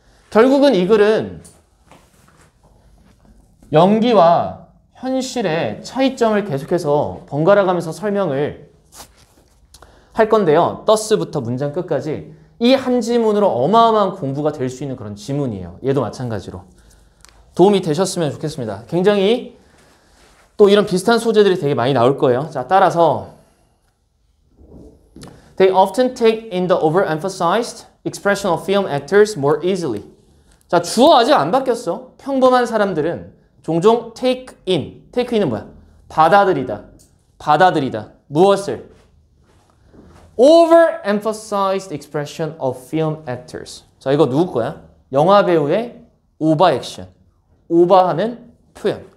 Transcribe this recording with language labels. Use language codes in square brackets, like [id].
[ko] 결국은 이 글은 연기와 현실의 차이점을 계속해서 번갈아가면서 설명을 할 건데요. 떠스부터 문장 끝까지 이 한 지문으로 어마어마한 공부가 될 수 있는 그런 지문이에요. 얘도 마찬가지로 도움이 되셨으면 좋겠습니다. 굉장히 또 이런 비슷한 소재들이 되게 많이 나올 거예요. 자, 따라서 [en] They often take in the overemphasized expression of film actors more easily. [ko] 자, 주어 아직 안 바뀌었어. 평범한 사람들은 종종 [en] take in. [ko] take in은 뭐야? 받아들이다. 무엇을? [en] Overemphasized expression of film actors. [ko] 자, 이거 누구 거야? 영화 배우의 오버 액션. 오버하는 표현.